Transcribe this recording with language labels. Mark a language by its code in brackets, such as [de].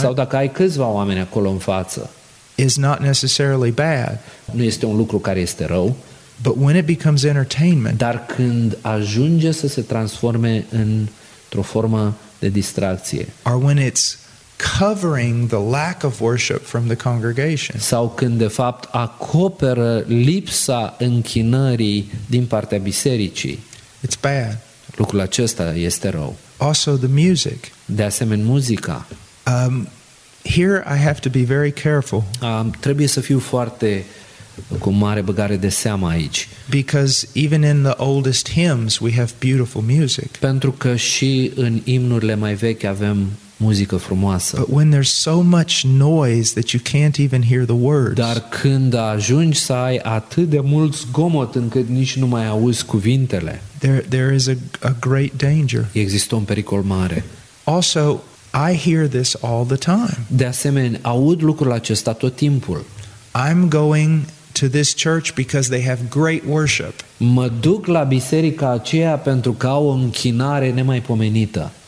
[ro] sau dacă ai câțiva oameni acolo în față, [en] is not necessarily bad. [ro] Nu este un lucru care este rău. [en] But when it becomes entertainment, [ro] dar când ajunge să se transforme într-o formă de distracție, [en] or when it's covering the lack of worship from the congregation. [ro] Sau când de fapt acoperă lipsa închinării din partea bisericii. [en] It's bad. [ro] Lucrul acesta este rău. [en] Also the music. [ro] De asemenea muzica. [en] Here I have to be very careful. [ro] Trebuie să fiu foarte cu mare băgare de seamă aici. [en] Because even in the oldest hymns we have beautiful music. [ro] Pentru că și în imnurile mai vechi avem muzică frumoasă. [en] But when there's so much noise that you can't even hear the words. [ro] Dar când ajungi să ai atât de mult zgomot încât nici nu mai auzi cuvintele. [en] There is a great danger. [ro] Există un pericol mare. [en] Also, I hear this all the time. [ro] De asemenea, aud lucrul acesta tot timpul. [en] I'm going to this church because they have great worship. [ro] Mă duc la biserica aceea pentru că au o închinare nemaipomenită.